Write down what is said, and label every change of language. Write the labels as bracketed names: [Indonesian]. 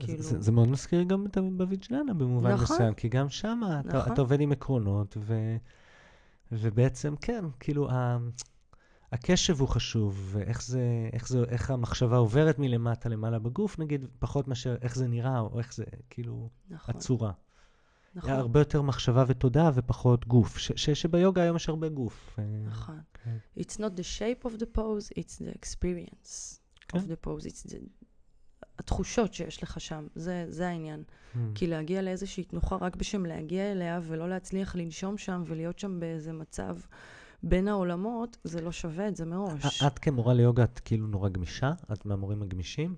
[Hebrew] זה מאוד מזכיר גם את הוויג'ננה, במובן מסוים, כי גם שם אתה עובד עם עקרונות, ובעצם כן, כאילו, הקשב הוא חשוב, ואיך המחשבה עוברת מלמטה למעלה בגוף, נגיד, פחות מאשר איך זה נראה, או איך זה כאילו הצורה. היה הרבה יותר מחשבה ותודעה ופחות גוף. שביוגה היום יש הרבה גוף. נכון. [English] It's not the shape of the pose, it's the experience of the pose. [Hebrew] It's התחושות שיש לך שם. זה העניין. כי להגיע לאיזושהי תנוחה רק בשם להגיע אליה, ולא להצליח לנשום שם ולהיות שם באיזה מצב בין העולמות, זה לא שווה את זה מראש. את כמורה ליוגה, את כאילו נורא גמישה? את מהמורים הגמישים?